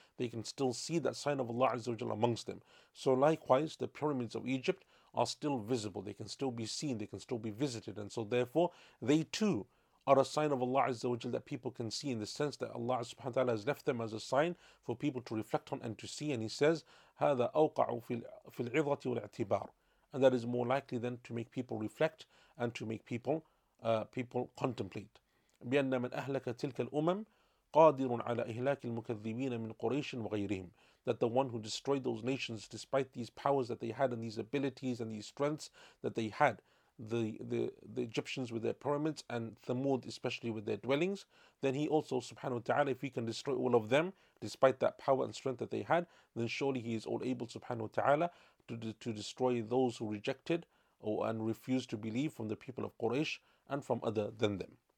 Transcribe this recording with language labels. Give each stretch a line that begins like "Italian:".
English: They can still see that sign of Allah Azza wa Jalla amongst them. So likewise, the pyramids of Egypt are still visible. They can still be seen, they can still be visited. And so therefore, they too are a sign of Allah Azza wa Jalla that people can see, in the sense that Allah subhanahu wa ta'ala has left them as a sign for people to reflect on and to see. And he says,
Arabic: هذا أوقع في العظة والاعتبار.
English: And that is more likely then to make people reflect and to make people contemplate.
Arabic: بأن من أهلك تلك الأمم قادر على إهلاك المكذبين من قريش وغيرهم.
English: That the one who destroyed those nations, despite these powers that they had and these abilities and these strengths that they had, the Egyptians with their pyramids and Thamud especially with their dwellings, then he also, subhanahu wa ta'ala, if he can destroy all of them despite that power and strength that they had, then surely he is all able, subhanahu wa ta'ala, to destroy those who rejected and refused to believe from the people of Quraysh and from other than them.